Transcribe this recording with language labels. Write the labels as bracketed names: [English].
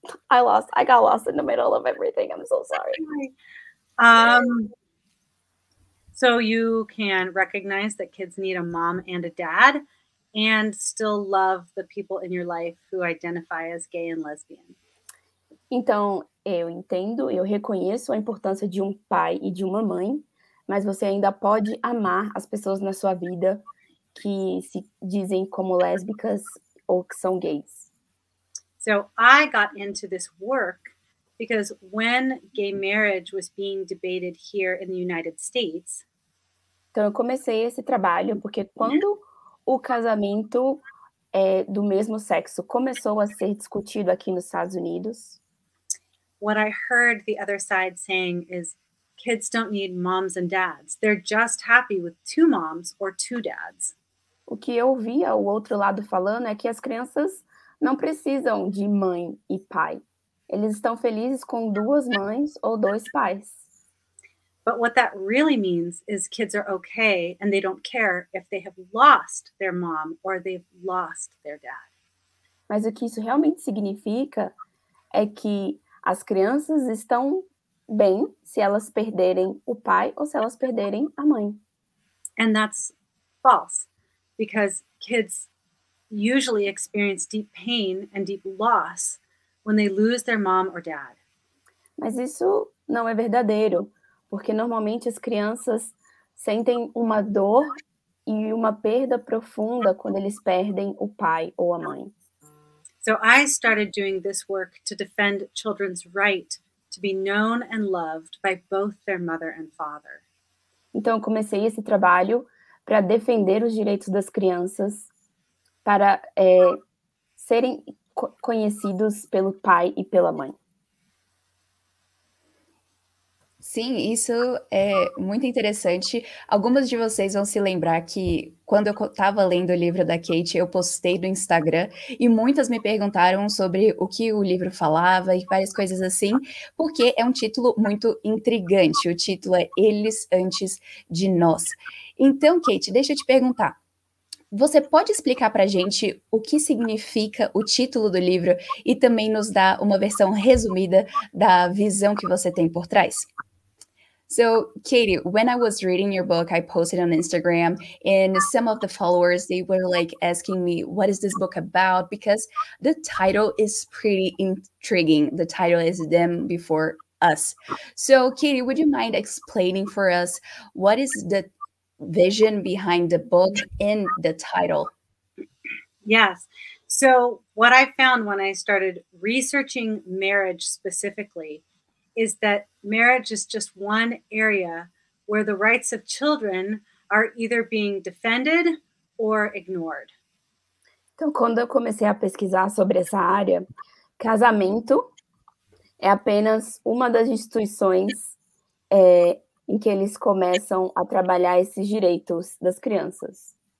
[English] I got lost in the middle of everything. I'm so sorry. So you can recognize that kids need a mom and a dad and still love the people in your life who identify as gay and lesbian. [Portuguese] Então, eu entendo, eu reconheço a importância de um pai e de uma mãe, mas você ainda pode amar as pessoas na sua vida que se dizem como lésbicas ou que são gays. [English] So, I got into this work because when gay marriage was being debated here in the United States... [Portuguese] Então, eu comecei esse trabalho porque quando o casamento do mesmo sexo começou a ser discutido aqui nos Estados Unidos... [English] what I heard the other side saying is kids don't need moms and dads. They're just happy with two moms or two dads. [Portuguese] O que eu ouvi ao outro lado falando é que as crianças não precisam de mãe e pai. Eles estão felizes com duas mães ou dois pais. [English] But what that really means is kids are okay and they don't care if they have lost their mom or they've lost their dad. [Portuguese] Mas o que isso realmente significa é que as crianças estão bem se elas perderem o pai ou se elas perderem a mãe. [English] And that's false, because kids usually experience deep pain and deep loss when they lose their mom or dad. [Portuguese] Mas isso não é verdadeiro, porque normalmente as crianças sentem uma dor e uma perda profunda quando eles perdem o pai ou a mãe. [English] So I started doing this work to defend children's right to be known and loved by both their mother and father. [Portuguese] Então eu comecei esse trabalho para defender os direitos das crianças para serem conhecidos pelo pai e pela mãe. Sim, isso é muito interessante. Algumas de vocês vão se lembrar que quando eu estava lendo o livro da Kate, eu postei no Instagram e muitas me perguntaram sobre o que o livro falava e várias coisas assim, porque é um título muito intrigante. O título é Eles Antes de Nós. Então, Kate, deixa eu te perguntar. Você pode explicar para a gente o que significa o título do livro e também nos dar uma versão resumida da visão que você tem por trás? [English] So, Katie, when I was reading your book, I posted on Instagram, and some of the followers, they were like asking me, what is this book about? Because the title is pretty intriguing. The title is Them Before Us. So, Katie, would you mind explaining for us what is the vision behind the book and the title? Yes. So, what I found when I started researching marriage specifically is that marriage is just one area where the rights of children are either being defended or ignored. [Portuguese] Então, quando eu comecei a pesquisar sobre essa área, casamento é apenas uma das instituições em que eles começam a trabalhar esses direitos das crianças.